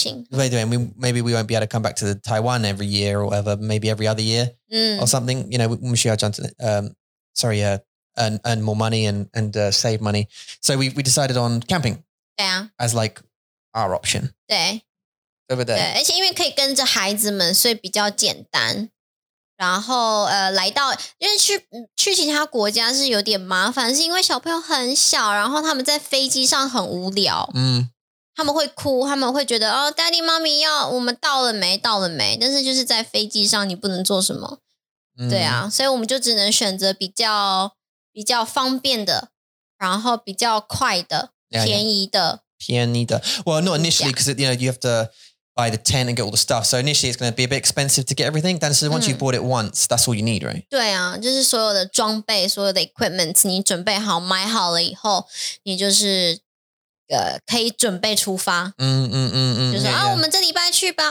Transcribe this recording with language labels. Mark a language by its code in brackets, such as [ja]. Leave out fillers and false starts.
[en] Maybe we won't be able to come back to the Taiwan every year or whatever, maybe every other year or something, you know, earn more money and save money. So we decided on camping as like our option. [zh] 对, [en] over there. [zh] 对, 而且因为可以跟着孩子们, 所以比较简单。然后, 来到, 因为去其他国家是有点麻烦, 是因为小朋友很小, 然后他们在飞机上很无聊。他们会哭, 他们会觉得, 哦, Daddy, Mommy, 要, 我们到了没, 到了没, 但是就是在飞机上, 你不能做什么。对啊, 所以我们就只能选择比较, 比较方便的,然后比较快的,便宜的。便宜的。 [en] Well, not initially, because you know you have to buy the tent and get all the stuff. So initially, it's going to be a bit expensive to get everything. [zh] 但是 [en] once you bought it once, that's all you need, right? [zh] 对啊,就是所有的装备,所有的 equipment, 你准备好,买好了以后,你就是 可以准备出发。就是,我们这礼拜去吧。